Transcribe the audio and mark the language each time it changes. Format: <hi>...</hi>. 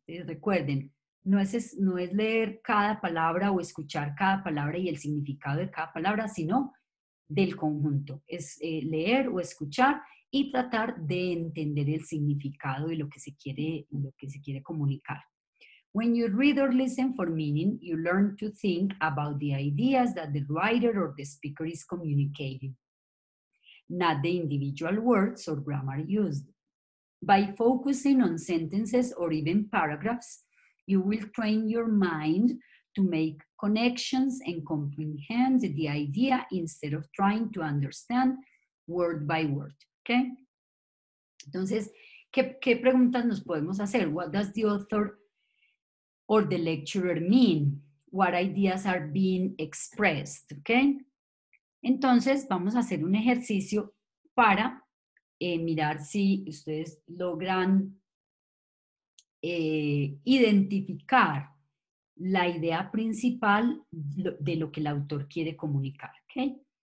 <es>Recuerden, no es leer cada palabra o escuchar cada palabra y el significado de cada palabra, sino del conjunto. Es leer o escuchar y tratar de entender el significado y lo que se quiere comunicar.</es> <en>When you read or listen for meaning, you learn to think about the ideas that the writer or the speaker is communicating, not the individual words or grammar used. By focusing on sentences or even paragraphs, you will train your mind to make connections and comprehend the idea instead of trying to understand word by word. Okay?</en> <es>Entonces, ¿qué preguntas nos podemos hacer?</es> <en>What does the author or the lecturer mean? What ideas are being expressed? Okay?</en> <es>Entonces, vamos a hacer un ejercicio para mirar si ustedes logran identificar la idea principal de lo que el autor quiere comunicar. Okay?</es>